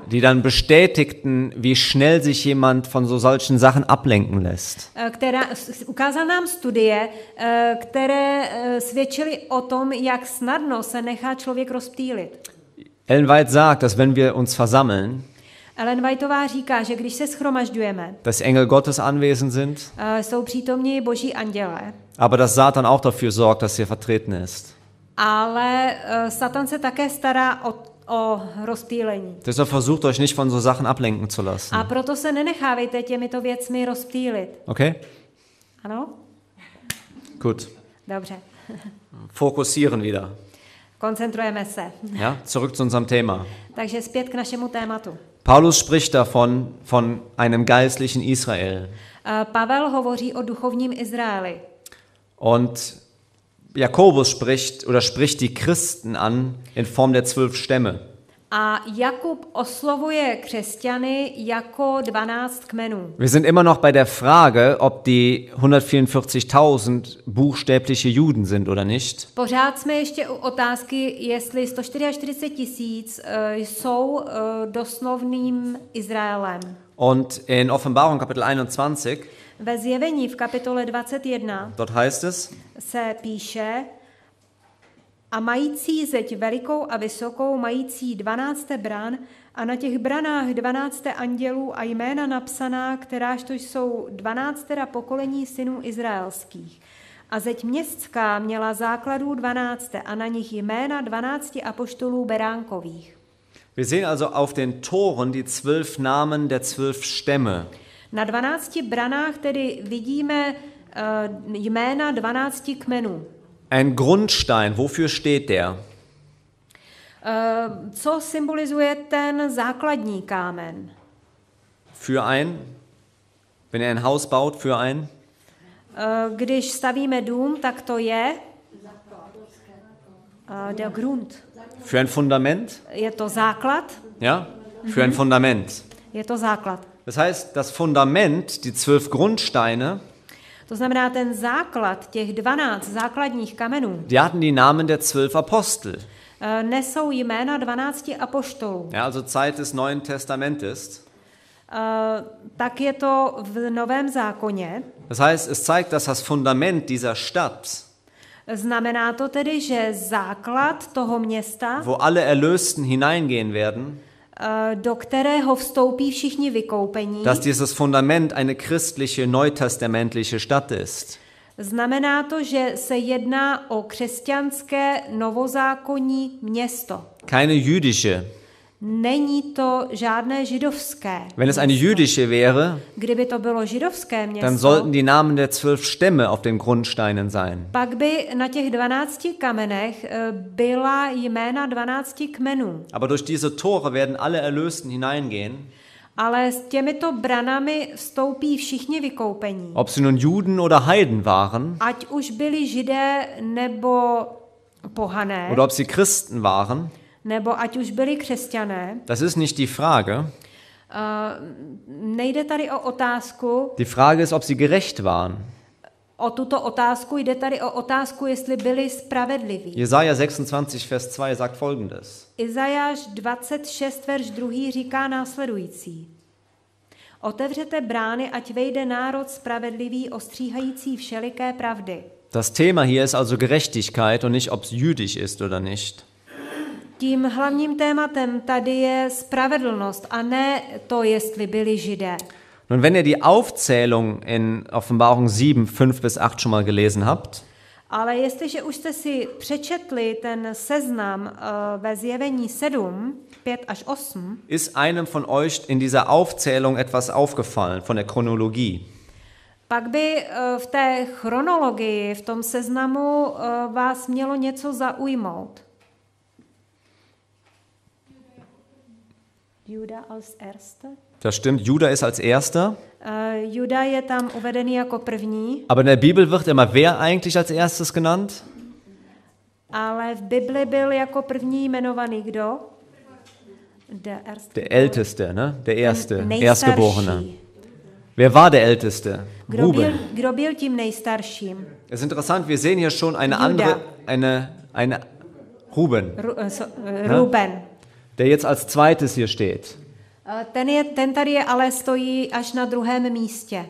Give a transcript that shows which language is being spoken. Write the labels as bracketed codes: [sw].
[de] die dann bestätigten, wie schnell sich jemand von so solchen Sachen ablenken lässt. [cs] Ukázal nám studie, které svědčily o tom, jak snadno se nechá člověk rozptýlit. [de] Ellen White sagt, dass wenn wir uns versammeln, [cs] Ellen Whiteová říká, že když se shromažďujeme, [de] dass Engel Gottes anwesend sind, [cs] jsou přítomní Boží anděle, [de] aber dass Satan auch dafür sorgt, dass er vertreten ist. [cs] Ale Satan se také stará o rozptýlení. [de] Deshalb versucht euch nicht von so Sachen ablenken zu lassen. [cs] A proto se nenechávejte těmito věcmi rozptýlit. [de] Okay? [cs] Ano? [de] Gut. [cs] Dobře. [de] Fokusieren wieder. [cs] Koncentrujeme se. [de] Ja, zurück zu unserem Thema. [cs] Takže zpět k našemu tématu. [de] Paulus spricht davon von einem geistlichen Israel. [cs] Pavel hovoří o duchovním Izraeli. [de] Und Jakobus spricht die Christen an in Form der 12 Stämme. [cs] A Jakub oslovuje křesťany jako 12 kmenů. [de] Wir sind immer noch bei der Frage, ob die 144.000 buchstäbliche Juden sind oder nicht. [cs] Pořád jsme ještě u otázky, jestli 144.000 jsou doslovným Izraelem. [de] Und in Offenbarung Kapitel 21 [cs] ve zjevení v kapitole 21 [de] dort heißt es, [cs] se píše a mající zeď velikou a vysokou, mající 12 bran A na těch branách 12 andělů a jména napsaná, kteráž to jsou 12 pokolení synů izraelských. A zeď městská měla základů 12 a na nich jména 12 apoštolů beránkových. [de] Wir sehen also auf den Toren die 12 Namen der 12 Stämme. [cs] Na 12 branách tedy vidíme jména 12 kmenů. [de] Ein Grundstein, wofür steht der? [cs] Co symbolizuje ten základní kámen? [de] Für ein, wenn ein Haus baut, für ein? [cs] Když stavíme dům, tak to je? [de] Der Grund. Für ein Fundament? [cs] Je to základ. [de] Ja, für ein Fundament. [cs] Je to základ. [de] Das heißt, das Fundament, die 12 Grundsteine, [cs] to znamená ten základ těch 12 základních kamenů, [de] die hatten die Namen der 12 Apostel. [cs] Nesou jména 12 apoštolů. [de] Ja, also Zeit des Neuen Testamentes. [cs] Tak je to v Novém zákoně. [de] Das heißt, es zeigt, dass das Fundament dieser Stadt, [cs] znamená to tedy, že základ toho města, [de] wo alle Erlösten hineingehen werden, [cs] do kterého vstoupí všichni vykoupení, [de] dass dieses Fundament eine christliche, neutestamentliche Stadt ist. [cs] Znamená to, že se jedná o křesťanské novozákonní město. [de] Keine jüdische. [cs] Není to žádné židovské. [de] Wenn es eine jüdische wäre, [cs] kdyby to bylo židovské město, [de] dann sollten die Namen der 12 Stämme auf den Grundsteinen sein. [cs] Pak by na těch 12 kamenech byla jména 12 kmenů. [de] Aber durch diese Tore werden alle Erlösten hineingehen. [cs] Ale s těmito branami vstoupí všichni vykoupení. [de] Ob sie nun Juden oder Heiden waren. [cs] Ať už byli Židé nebo pohané. [de] Oder ob sie Christen waren. [cs] Nebo ať už byli křesťané. [de] Das ist nicht die Frage. [cs] Nejde tady o otázku. [de] Die Frage ist, ob sie gerecht waren. [cs] O tuto otázku, jde tady o otázku, jestli byli spravedliví. [de] Jesaja 26, vers 2 sagt folgendes. [cs] Izajáš 26, verš 2 říká následující. Otevřete brány, ať vejde národ spravedlivý, ostříhající všeliké pravdy. [de] Das Thema hier ist also Gerechtigkeit und nicht, ob es jüdisch ist oder nicht. [cs] Tím hlavním tématem tady je spravedlnost a ne to, jestli byli Židé. [de] Nun, wenn ihr die Aufzählung in Offenbarung 7, 5 bis 8 schon mal gelesen habt, [cs] ale jestliže už jste si přečetli ten seznam ve Zjevení 7, 5 až 8, [de] ist einem von euch in dieser Aufzählung etwas aufgefallen von der Chronologie. [cs] Pak by v té chronologii, v tom seznamu vás mělo něco zaujmout. [de] Juda als erste. Das stimmt, Juda ist als erster. [cs] Juda je tam uvedený jako první. [de] Aber in der Bibel wird immer wer eigentlich als erstes genannt? [cs] Ale v Bibli byl jako první jmenovaný kdo? [de] Der erste. Der älteste, ne? Der erste, erstgeborene. Wer war der älteste? [cs] Ruben. Kdo byl tím nejstarším? [de] Es ist interessant, wir sehen hier schon eine Juda. Andere eine Ruben. Ruben. Ne? Der jetzt als zweites hier steht. [cs] Ten tady ale stojí až na druhém místě.